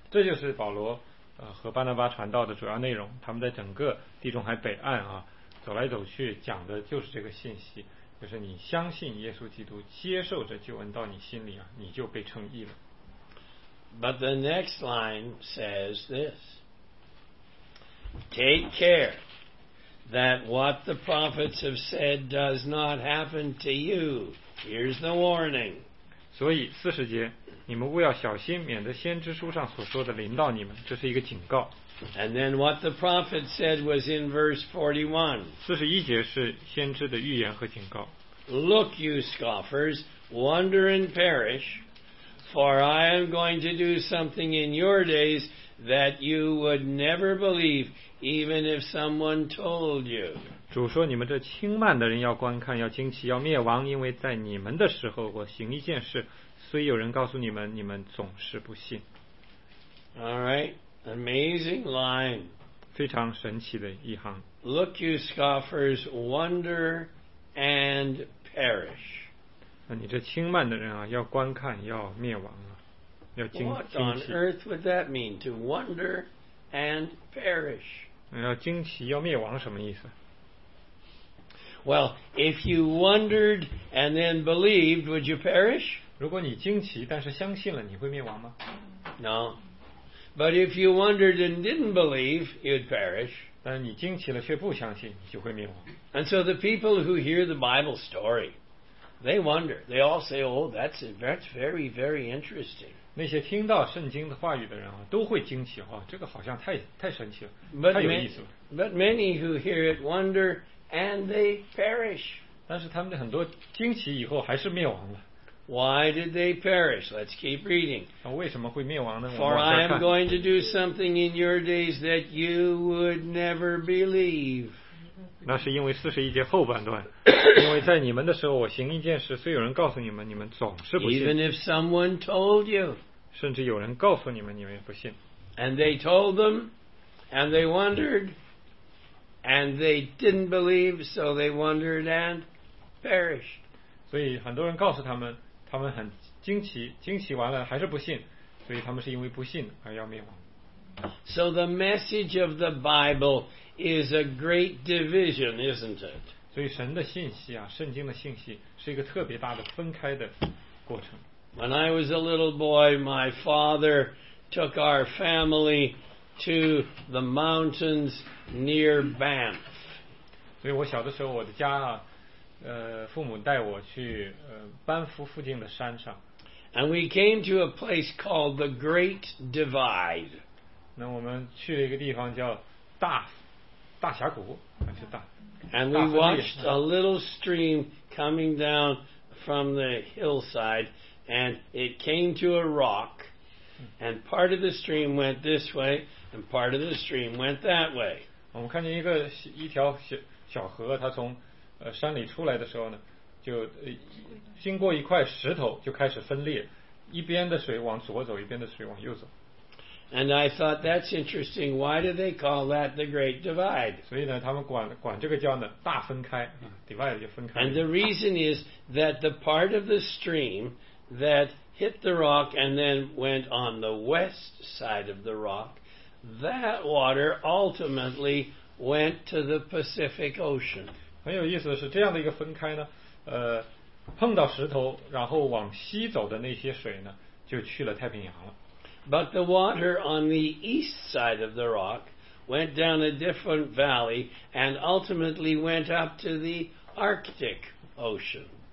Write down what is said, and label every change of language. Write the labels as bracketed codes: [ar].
[zh] 这就是保罗和巴拿巴传道的主要内容。他们在整个地中海北岸啊。走来走去讲的就是这个信息，就是你相信耶稣基督，接受着救恩到你心里啊，你就被称义了。 [en] But the next line says this: Take care that what the prophets have said does not happen to you. Here's the warning. [zh] 所以四十节，你们务要小心，免得先知书上所说的临到你们，这是一个警告。 [en] And then what the prophet said was in verse 41. [zh] 41节是先知的预言和警告。 [en] Look, you scoffers, wonder and perish, for I am going to do something in your days that you would never believe, even if someone told you. [zh] 主说你们这轻慢的人要观看，要惊奇，要灭亡，因为在你们的时候我行一件事，虽有人告诉你们，你们总是不信。 [en] All right. Amazing line. [zh] 非常神奇的一行。 [en] Look, you scoffers, wonder and perish. [zh] 那你这轻慢的人啊，要观看，要灭亡啊，要惊奇。 [en] What on earth would that mean to wonder and perish? [zh] 要惊奇，要灭亡，什么意思？ [en] Well, if you wondered and then believed, would you perish? [zh] 如果你惊奇但是相信了，你会灭亡吗？ [en] No. But if you wondered and didn't believe, you'd perish. [zh] 但你惊奇了却不相信，你就会灭亡。 [en] And so the people who hear the Bible story, they wonder. They all say, oh, that's very, very interesting. [zh] 那些听到圣经的话语的人、啊、都会惊奇、哦、这个好像 太神奇了 [en] but [zh] 太有意思了 [en] but many who hear it wonder and they perish [zh] 但是他们的很多惊奇以后还是灭亡了 [en] Why did they perish? Let's keep reading、 [zh] 啊、为什么会灭亡呢 [en] For I am going to do something in your days that you would never believe [zh] 那是因为四十一节后半段因为在你们的时候我行一件事虽有人告诉你们你们总是不信 [en] Even if someone told you, [zh] 甚至有人告诉你们你们也不信 [en] And they told them and they wondered and they didn't believe so they wondered and perished [zh] 所以很多人告诉他们他们很惊奇惊奇完了还是不信所以他们是因为不信而要灭亡 [en] So the message of the Bible is a great division, isn't it? [zh] 所以神的信息啊，圣经的信息是一个特别大的分开的过程。 [en] When I was a little boy, my father took our family to the mountains near Banff. [zh] 所以我小的时候，我的家啊，父母带我去班夫附近的山上。 [en] And we came to a place called the Great Divide. [zh] 那我们去了一个地方叫大峡谷，还是大。 [en] And we watched a little stream coming down from the hillside, and it came to a rock, and part of the stream went this way, and part of the stream went that way. [zh] 我们看见一条 小河，它从山里出来的时候呢，就经过一块石头就开始分裂，一边的水往左走，一边的水往右走。 [en] And I thought, that's interesting. Why do they call that the Great Divide? [zh] 所以呢他们管这个叫呢大分开 Divide 就分开 [en] And the reason is that the part of the stream that hit the rock and then went on the west side of the rock, that water ultimately went to the Pacific Ocean. [zh] 很有意思的是这样的一个分开呢碰到石头然后往西走的那些水呢就去了太平洋了。 [en] But the water on the east side of the rock went down a different valley and ultimately went up to the Arctic Ocean.